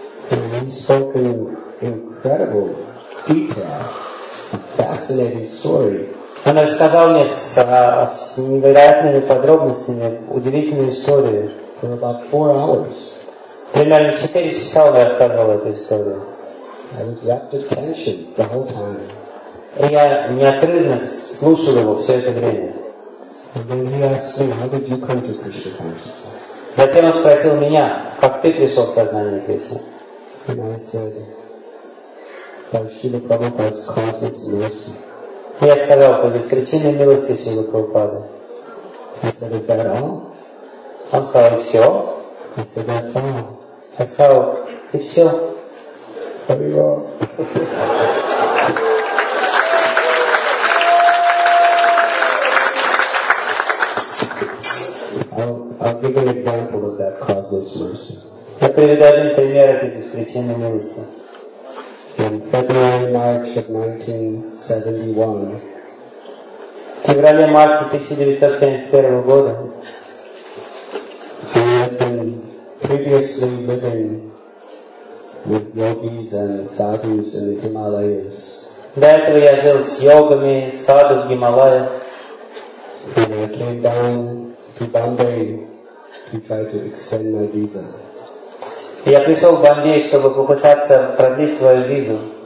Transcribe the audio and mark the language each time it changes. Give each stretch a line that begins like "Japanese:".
English: And he spoke in incredible detail, a fascinating story.
Russian: Он рассказал мне с невероятными подробностями удивительную историю.
English: For about 4 hours.
Russian: Примерно 4 часа он рассказывал эту историю.
English: I was wrapped in tension the whole time.
Russian: И я неотрывно слушал его все это время.
English: And then he asked me, how did you come to Krishna consciousness?
Russian: Затем он спросил меня, как ты пришел в сознание Кришны?
English: And I said, by Śrīla Prabhupāda's causes and mercy.
Russian: Я сказал, по беспричинной милости Шрилы Прабхупады.
English: He said, is that all?
Russian: Он сказал, и все.
English: He said, that's all.
Russian: Я сказал, и все.
English: Very well. I'll give an example of that causes mercy.
Russian: Я приведу один пример этой беспричинной милости.
English: In February, March of 1971,
Russian: феврале-марте 1971 года,
English: he had been previously living with yogis and sadhus in the Himalayas.
Russian: До этого я жил с йогами, садху в Гималаях.
English: When I came down to Bombay to try to extend my visa.
Russian: Я пришел в Бомбей, чтобы попытаться продлить свою визу.